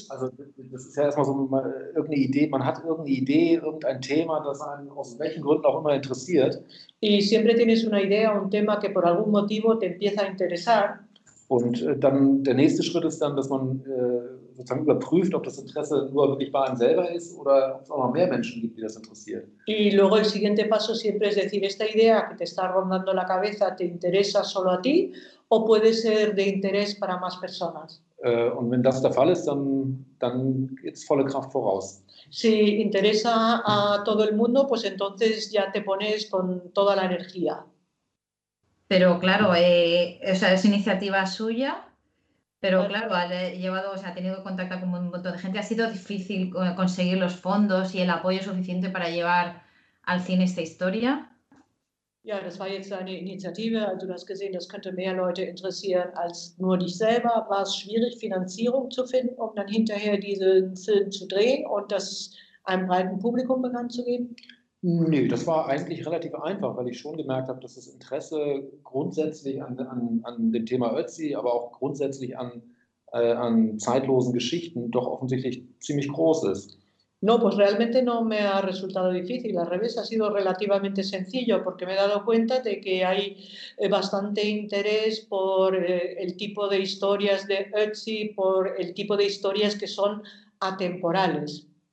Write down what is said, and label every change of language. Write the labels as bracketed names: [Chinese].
[German] Also, das ist ja erstmal so irgendeine Idee, man hat irgendeine Idee, irgendein Thema, das einen aus welchen Gründen auch immer interessiert. [Spanish] Y siempre tienes una idea, un tema que por algún motivo te empieza a interesar. [German] Und dann der nächste Schritt ist dann, dass man sozusagen überprüft, ob das Interesse nur wirklich bei einem selber ist oder ob es auch noch mehr Menschen gibt, die das interessieren. [Spanish] Y luego el siguiente paso siempre es decir, esta idea que te está rondando la cabeza, ¿te interesa solo a ti o puede ser de interés para más personas? [German] Und wenn das der Fall ist, dann geht's volle Kraft voraus. [Spanish] Si interesa a todo el mundo, pues entonces ya te pones con toda la energía. Pero claro, esa es iniciativa suya. Pero claro, ha llevado, o sea, ha tenido contacto con un montón de gente. Ha sido difícil conseguir los fondos y el apoyo suficiente para llevar al cine esta historia. [German] Ja, das war jetzt eine Initiative. Du hast gesehen, das könnte mehr Leute interessieren als nur dich selber. War es schwierig, Finanzierung zu finden, um dann hinterher diesen Film zu drehen und das einem breiten Publikum bekannt zu geben? Nö, das war eigentlich relativ einfach, weil ich schon gemerkt habe, dass das Interesse grundsätzlich an dem Thema Ötzi, aber auch grundsätzlich an zeitlosen Geschichten doch offensichtlich ziemlich groß ist. [Spanish] No, pues realmente no me ha resultado difícil, al revés, ha sido relativamente sencillo porque me he dado cuenta de que hay bastante interés por el tipo de historias de Ötzi, por el tipo de historias que son atemporales.